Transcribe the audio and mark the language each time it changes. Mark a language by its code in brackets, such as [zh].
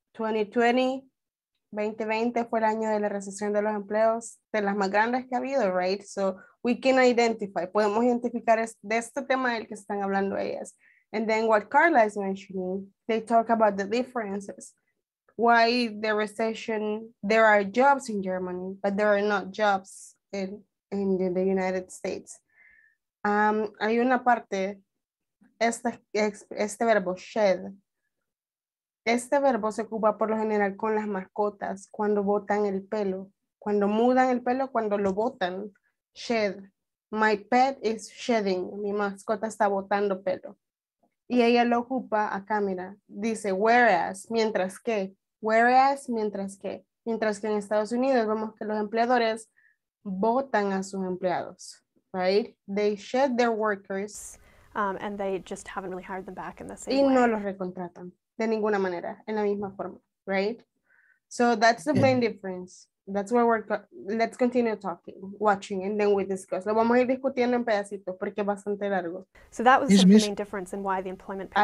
[es] 2020 fue el año de la recesión de los empleos, de las más grandes que ha habido, right? [en] So we can identify, [es] podemos identificar de este tema del que están hablando ellas. [en] And then what Carla is mentioning, they talk about the differences. Why the recession, there are jobs in Germany, but there are not jobs in the United States. [es] Hay una parte, este verbo, shed. Este verbo se ocupa por lo general con las mascotas, cuando botan el pelo. Cuando mudan el pelo, cuando lo botan, shed. [en] My pet is shedding. [es] Mi mascota está botando pelo. Y ella lo ocupa acá, mira. Dice, whereas, mientras que. Whereas, mientras que. Mientras que en Estados Unidos vemos que los empleadores botan a sus empleados, right? [en] They shed their workers. And they just haven't really hired them back in the same way. [es] Y no los recontratan de ninguna manera, en la misma forma, right? [en] So that's the main difference. That's where we're, let's continue talking, watching, and then we discuss. [es] Lo vamos a ir discutiendo en pedacitos porque es bastante largo. [en] So that was the main difference in why the employment picture.